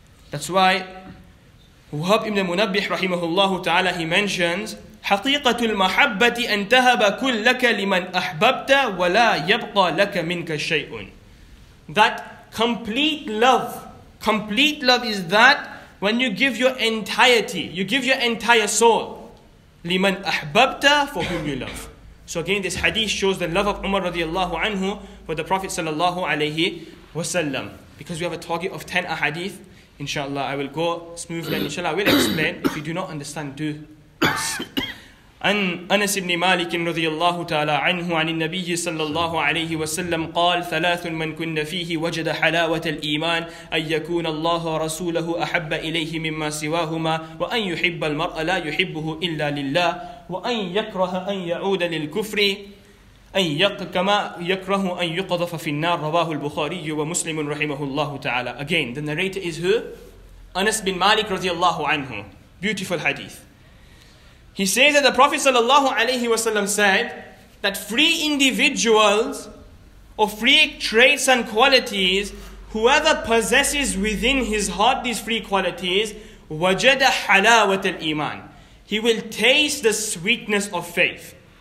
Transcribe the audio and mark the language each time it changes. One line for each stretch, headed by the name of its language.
English: That's why Wahab ibn Munabbih rahimahullahu ta'ala, he mentions,
Arabic: حَقِيقَةُ الْمَحَبَّةِ أَنْ تَهَبَ كُلَّكَ لِمَنْ أَحْبَبْتَ وَلَا يَبْقَى لَكَ مِنْكَ شَيْءٌ
English: That complete love is that when you give your entirety, you give your entire soul,
Arabic: لِمَنْ أَحْبَبْتَ
English: for whom you love. So again, this hadith shows the love of Umar radiallahu anhu for the Prophet sallallahu alayhi wasallam. Because we have a target of 10 ahadith, inshallah, I will go smoothly, and inshallah, I will explain. If you do not understand, do ask.
Arabic: أنس بن مالك رضي الله تعالى عنه عن النبي صلى الله عليه وسلم قال ثلاث من كن فيه وجد حلاوة الإيمان أن يكون الله رسوله أحب إليه مما سواهما وأن يحب المرء لا يحبه إلا لله وأن يكره أن يعود للكفر أن كما يكره أن يقذف في النار رواه البخاري ومسلم رحمه الله تعالى
English: Again, the narrator is who?
Arabic: أنس بن مالك رضي الله عنه
English: Beautiful hadith. He says that the Prophet sallallahu alaihi wasallam said that three individuals or three traits and qualities, whoever possesses within his heart these three qualities,
Arabic: wajada halawat al iman,
English: he will taste the sweetness of faith.